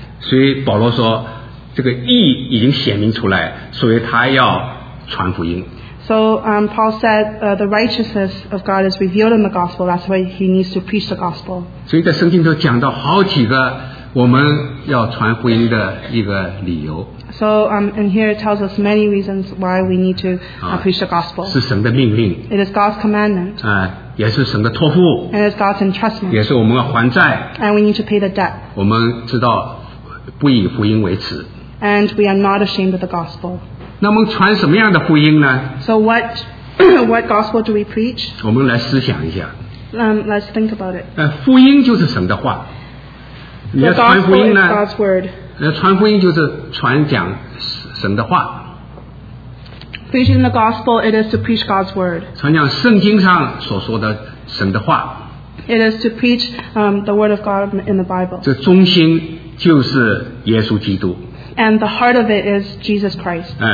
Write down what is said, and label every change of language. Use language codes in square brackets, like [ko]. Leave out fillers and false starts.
[zh] 所以保罗说，这个义已经显明出来，所以他要传福音。 [en] So Paul said the righteousness of God is revealed in the gospel. That's why he needs to preach the gospel. [zh] 所以在圣经中讲到好几个我们要传福音的一个理由。 [en] So and here it tells us many reasons why we need to preach the gospel. [zh] 是神的命令。 [en] It is God's commandment. [zh] 也是神的托付。 [en] And it's God's entrustment. [zh] 也是我们要还债。 [en] And we need to pay the debt. [zh] 我们知道不以福音为耻。 [en] And we are not ashamed of the gospel. [zh] 那我们传什么样的福音呢 [en] ？So what gospel do we preach? [zh] 我们来思想一下。 [en] Let's think about it. [zh] 福音就是神的话。你要传福音呢 [en] ？God's word. [zh] 传福音就是传讲神的话。 [en] Preaching the gospel, it is to preach God's word. [zh] 传讲圣经上所说的神的话。 [en] It is to preach the word of God in the Bible. [zh] 这中心就是耶稣基督。 [en] And the heart of it is Jesus Christ.